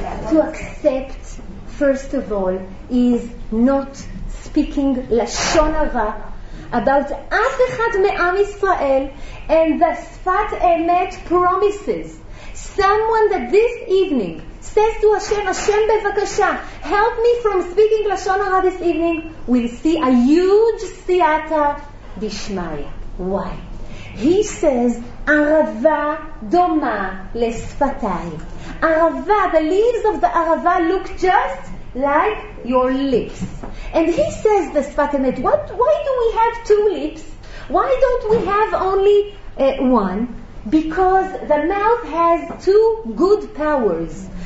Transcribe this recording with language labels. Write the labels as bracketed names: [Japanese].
[English] To accept, first of all, is not speaking לשון הרע about [Hebrew] אף אחד מעם ישראל, [English] and the שפת אמת promises. Someone that this evening says to Hashem, Hashem בבקשה, help me from speaking לשון הרע this evening, will see a huge סייעתא דשמיא. Why? He says, [Hebrew] ערבה דומה לשפתיים. [English] ערבה, the leaves of the ערבה look just like your lips. And he says, the שפת אמת, why do we have two lips? Why don't we have only one? Because the mouth has two good powers.